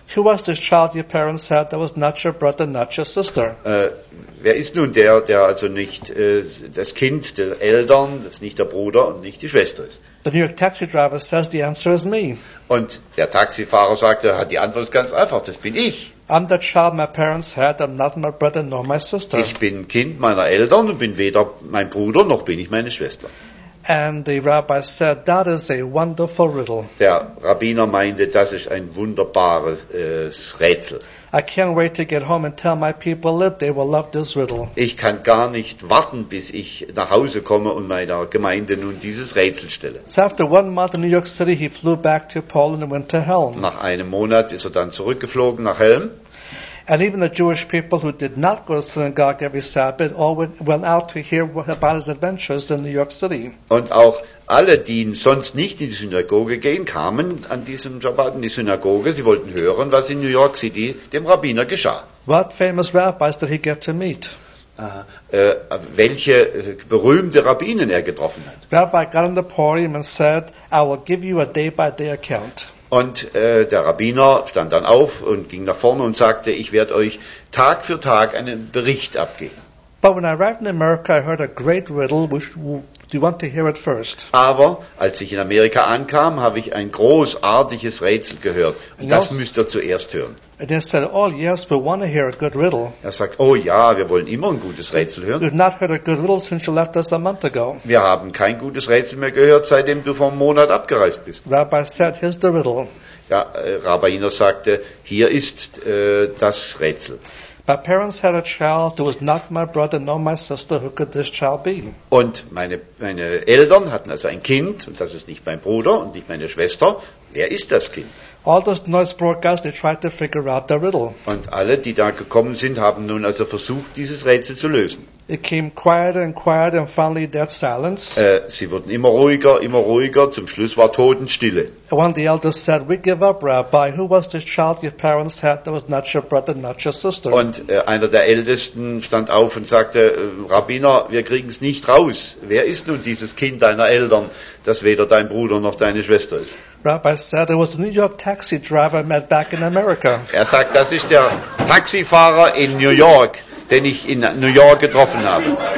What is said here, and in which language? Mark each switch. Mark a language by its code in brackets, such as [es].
[en] Who was this child your parents had that was not your brother, not your sister? [de] Wer ist nun der also nicht das Kind der Eltern, das nicht der Bruder und nicht die Schwester ist? [en] The New York taxi driver says the answer is me. [de] Und der Taxifahrer sagte, die Antwort ist ganz einfach, das bin ich. [en] I'm the child my parents had, I'm not my brother nor my sister. [de] Ich bin Kind meiner Eltern und bin weder mein Bruder noch bin ich meine Schwester. [en] And the rabbi said, that is a wonderful riddle. [de] Der Rabbiner meinte, das ist ein wunderbares Rätsel. [en] I can't wait to get home and tell my people it. They will love this riddle. [de] Ich kann gar nicht warten, bis ich nach Hause komme und meiner Gemeinde nun dieses Rätsel stelle. [en] So after 1 month in New York City, he flew back to Poland and went to Helm. [de] Nach einem Monat ist er dann zurückgeflogen nach Helm. [en] And even the Jewish people who did not go to synagogue every Sabbath all went out to hear about his adventures in New York City. [de] Und auch alle, die sonst nicht in die Synagoge gehen, kamen an diesem Sabbat in die Synagoge. Sie wollten hören, was in New York City dem Rabbiner geschah. [en] What famous rabbis did he get to meet? [de] Welche berühmte Rabbinen er getroffen hat. [en] Rabbi got on the podium and said, I will give you a day-by-day account. [de] Und der Rabbiner stand dann auf und ging nach vorne und sagte, ich werde euch Tag für Tag einen Bericht abgeben. [en] But when I arrived in America, I heard a great riddle, which do you want to hear it first? [de] Aber als ich in Amerika ankam, habe ich ein großartiges Rätsel gehört. Und das müsst ihr zuerst hören. [en] And they said, oh yes, we want to hear a good riddle. [de] Er sagt, oh ja, wir wollen immer ein gutes Rätsel hören. [en] We've not heard a good riddle since you left us a month ago. [de] Wir haben kein gutes Rätsel mehr gehört, seitdem du vor einem Monat abgereist bist. [en] Rabbi said, here's the riddle. [de] Ja, Rabbiner sagte, hier ist das Rätsel. [en] My parents had a child who was not my brother nor my sister. Who could this child be? [de] Und meine Eltern hatten also ein Kind, und das ist nicht mein Bruder und nicht meine Schwester. Wer ist das Kind? [en] All those noise broadcasts, they tried to figure out the riddle. [de] Und alle, die da gekommen sind, haben nun also versucht, dieses Rätsel zu lösen. [en] It came quieter and quieter and finally dead silence. [de] Sie wurden immer ruhiger, zum Schluss war Totenstille. [en] One of the elders said, we give up, Rabbi, who was this child your parents had that was not your brother, not your sister? [de] Und einer der Ältesten stand auf und sagte, Rabbiner, wir kriegen es nicht raus. Wer ist nun dieses Kind deiner Eltern, das weder dein Bruder noch deine Schwester ist? [en] Rabbi said it was a New York taxi driver I met back in America. [de] Er sagt, das ist der Taxifahrer in New York, den ich in New York getroffen habe.